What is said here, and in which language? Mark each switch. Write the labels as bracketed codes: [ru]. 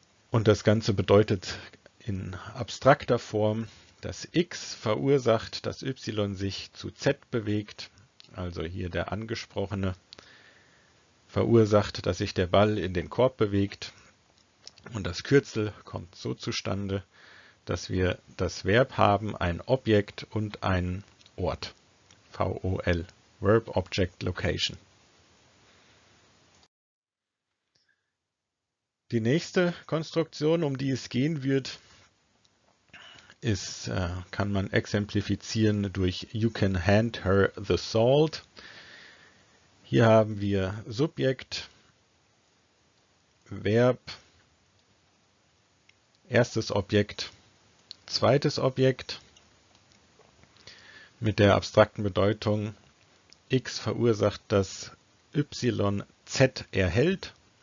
[de] Und das Ganze bedeutet in abstrakter Form, dass x verursacht, dass y sich zu z bewegt. Also hier der Angesprochene verursacht, dass sich der Ball in den Korb bewegt. Und das Kürzel kommt so zustande, dass wir das Verb haben, ein Objekt und einen Ort. VOL, Verb Object Location. Die nächste Konstruktion, um die es gehen wird, kann man exemplifizieren durch [en] You can hand her the salt. [de] Hier haben wir Subjekt, Verb, erstes Objekt, zweites Objekt mit der abstrakten Bedeutung X verursacht, dass Y Z erhält.